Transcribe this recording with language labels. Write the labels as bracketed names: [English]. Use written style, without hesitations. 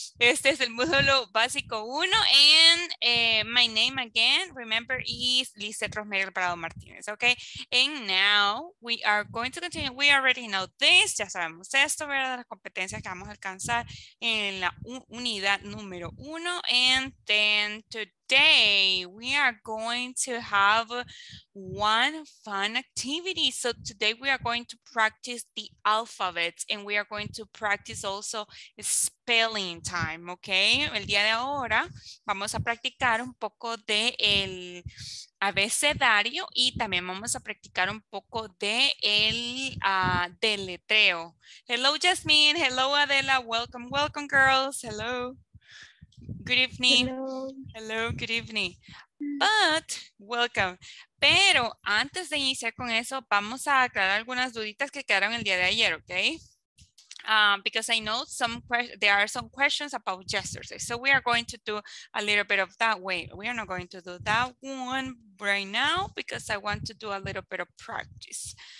[Spanish] Este es el módulo básico 1. [English] And my name again, remember, is Lizeth Rosemary Alvarado Martínez, ¿ok? And now we are going to continue. We already know this. [Spanish] Ya sabemos esto, ¿verdad? Las competencias que vamos a alcanzar en la unidad número 1. [English] And then today we are going to have one fun activity. So today we are going to practice the alphabets and we are going to practice also spelling time, okay? [Spanish] El día de ahora vamos a practicar un poco de el abecedario y también vamos a practicar un poco de el deletreo. [English] Hello, Jasmine. Hello, Adela. Welcome, welcome, girls. Hello. Good evening. Hello. Hello, good evening. But, welcome. [Spanish] Pero antes de iniciar con eso, vamos a aclarar algunas duditas que quedaron el día de ayer, ¿ok? [English] Because I know some there are some questions about yesterday. So we are going to do a little bit of that way. We are not going to do that one right now because I want to do a little bit of practice.